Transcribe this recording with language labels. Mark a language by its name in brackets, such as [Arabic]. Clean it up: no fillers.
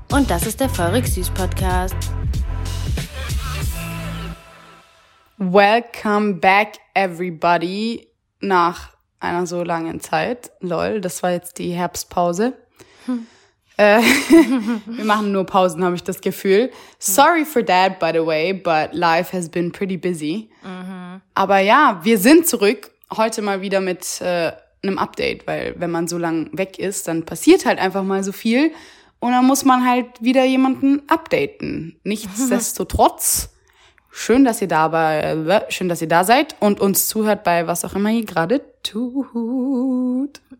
[German] Und das ist der Feurig Süß Podcast. [English] Welcome back, everybody, [German] nach einer so langen Zeit. Lol, das war jetzt die Herbstpause. wir machen nur Pausen, habe ich das Gefühl. [English] Sorry for that, by the way, but life has been pretty busy. [German] Aber ja, wir sind zurück. Heute mal wieder mit einem Update, weil wenn man so lang weg ist, dann passiert halt einfach mal so viel. Und dann muss man halt wieder jemanden updaten. Nichtsdestotrotz, schön, dass ihr da seid und uns zuhört bei was auch immer ihr gerade tut.